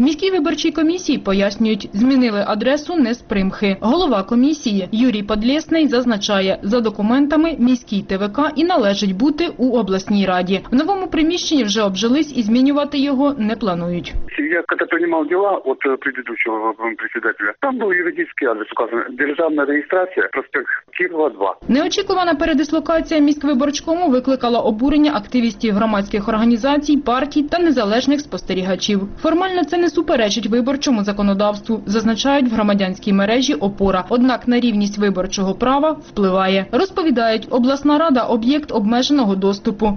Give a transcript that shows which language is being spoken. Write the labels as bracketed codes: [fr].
[uk] Міській виборчій комісії пояснюють, змінили адресу не з примхи. Голова комісії Юрій Подлєсний зазначає, за документами міський ТВК і належить бути у обласній раді. В новому приміщенні вже обжились і змінювати його не планують. Я коли приймав діла, [ru] от предыдущего председателя. Там был юридический адрес указан. Державная регистрация, проспект Кирова, 2. [uk] Неочікувана передислокація міськвиборчкому викликала обурення активістів громадських організацій, партій та незалежних спостерігачів. Формально це не суперечить виборчому законодавству, зазначають в громадянській мережі «Опора». Однак на рівність виборчого права впливає. Розповідають, обласна рада – об'єкт обмеженого доступу.